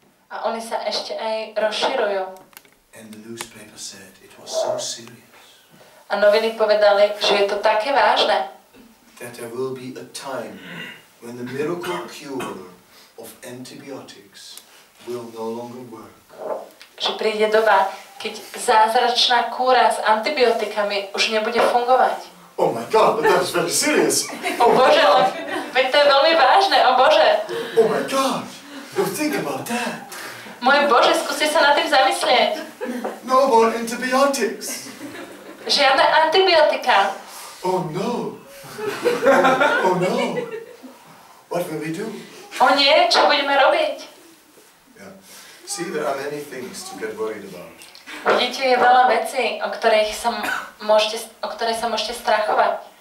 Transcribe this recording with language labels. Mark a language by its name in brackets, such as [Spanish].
[Slovak] A oni sa ešte aj rozširujú. [English] And the newspaper said it was so serious. [Slovak] A noviny povedali, že je to také vážne. [English] That there will be a time when the miracle cure of antibiotics will no longer work. [Slovak] Že príde doba, keď zázračná kúra s antibiotikami už nebude fungovať. [English] Oh my God, but that's very serious. [Slovak] Oh Bože, veď to je veľmi vážne, oh Bože. [English] Oh my God, you think about that. [Slovak] Moje Bože, skúsi sa na tým zamyslieť. [English] No more antibiotics. [Slovak] Žiadne antibiotika. [English] Oh no. Oh no. What will we do? [Slovak] Oh nie, čo budeme robiť? [English] Yeah. See, there are many things to get worried about. [Slovak] Vidíte, je veľa vecí, o ktorej sa môžete strachovať.